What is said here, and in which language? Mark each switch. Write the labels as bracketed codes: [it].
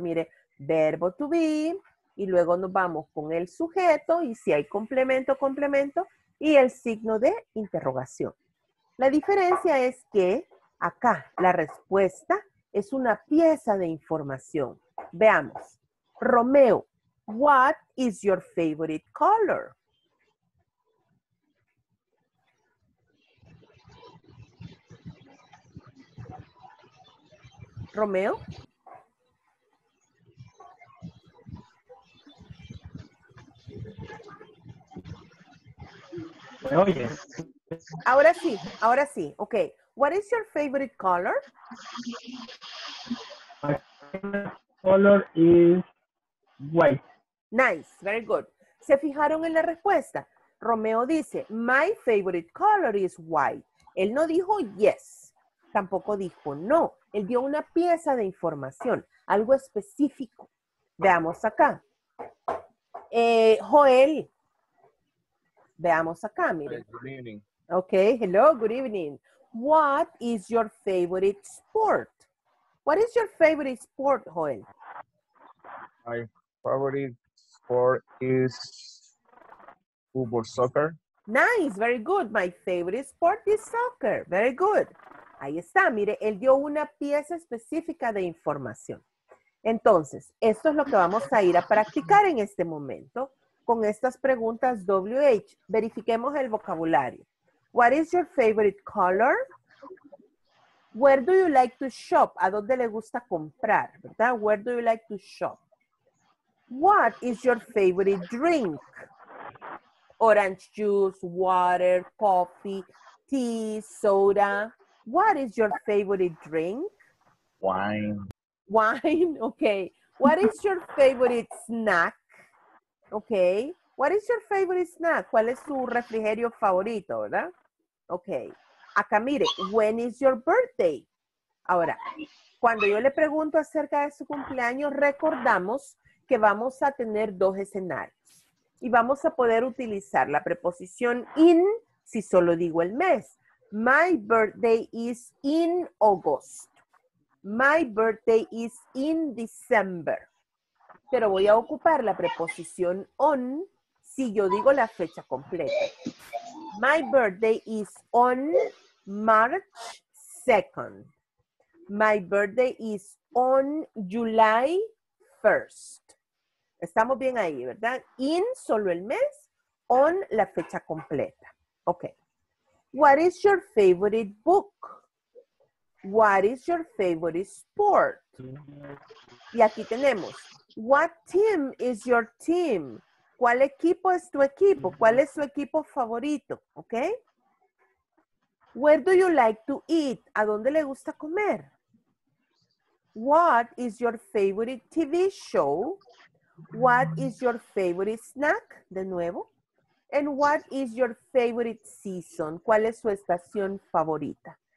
[es] Mire, verbo to be, y luego nos vamos con el sujeto, y si hay complemento, complemento, y el signo de interrogación. La diferencia es que acá la respuesta es una pieza de información. Veamos. [en] Romeo, what is your favorite color? Romeo? [es] ¿Me oyes? Ahora sí, ahora sí. Ok. [en] What is your favorite color? My favorite color is white. Nice, very good. [es] ¿Se fijaron en la respuesta? Romeo dice, [en] my favorite color is white. [es] Él no dijo yes. Tampoco dijo no. Él dio una pieza de información, algo específico. Veamos acá. Joel. Veamos acá, mire. [en] Good evening. Okay, hello, good evening. What is your favorite sport? What is your favorite sport, Joel? My favorite sport is football, soccer. Nice, very good. My favorite sport is soccer. Very good. [es] Ahí está, mire, él dio una pieza específica de información. Entonces, esto es lo que vamos a ir a practicar en este momento con estas preguntas WH. Verifiquemos el vocabulario. [en] What is your favorite color? Where do you like to shop? [es] ¿A dónde le gusta comprar? ¿Verdad? [en] Where do you like to shop? What is your favorite drink? Orange juice, water, coffee, tea, soda. What is your favorite drink? Wine. Wine, okay. What is your favorite snack? Okay. What is your favorite snack? [es] ¿Cuál es su refrigerio favorito, verdad? Ok. Acá mire, [en] when is your birthday? [es] Ahora, cuando yo le pregunto acerca de su cumpleaños, recordamos que vamos a tener dos escenarios. Y vamos a poder utilizar la preposición in, si solo digo el mes. [en] My birthday is in August. My birthday is in December. [es] Pero voy a ocupar la preposición on si yo digo la fecha completa. [en] My birthday is on March 2nd. My birthday is on July 1st. [es] Estamos bien ahí, ¿verdad? In, solo el mes, on, la fecha completa. Ok. [en] What is your favorite book? What is your favorite sport? [es] Y aquí tenemos, [en] what team is your team? [es] ¿Cuál equipo es tu equipo? ¿Cuál es su equipo favorito? [en] ¿Ok? Where do you like to eat? [es] ¿A dónde le gusta comer? [en] What is your favorite TV show? What is your favorite snack? [es] De nuevo. [en] And what is your favorite season? [es] ¿Cuál es su estación favorita?